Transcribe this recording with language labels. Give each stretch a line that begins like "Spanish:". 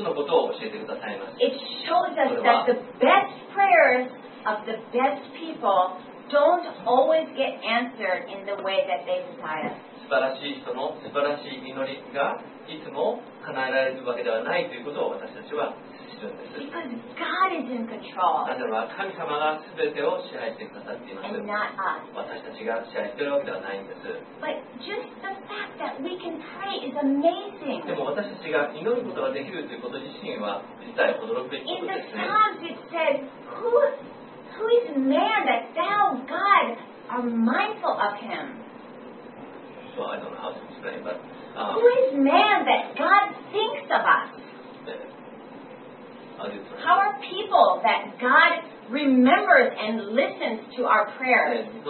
English: It shows us that the best prayers of the best people don't always get answered in the way that they desire.
Japanese: 素晴らしい人の素晴らしい祈りがいつも叶えられるわけではないということを私たちは知るんです。
English: Because God is in control.
Japanese: なぜなら神様が全てを支配してくださっています。
English: And not us.
Japanese: 私たちが支配しているわけではないんです。
English: But just the fact that we can pray is amazing.
Japanese: でも私たちが祈ることができるということ自身は実際驚くべきことですね。
English: In the Psalms it says, who is man that thou, God, are mindful of him? Well, I don't know how to explain, but... Who is man that God thinks of us? How are people that God remembers and listens to our prayers?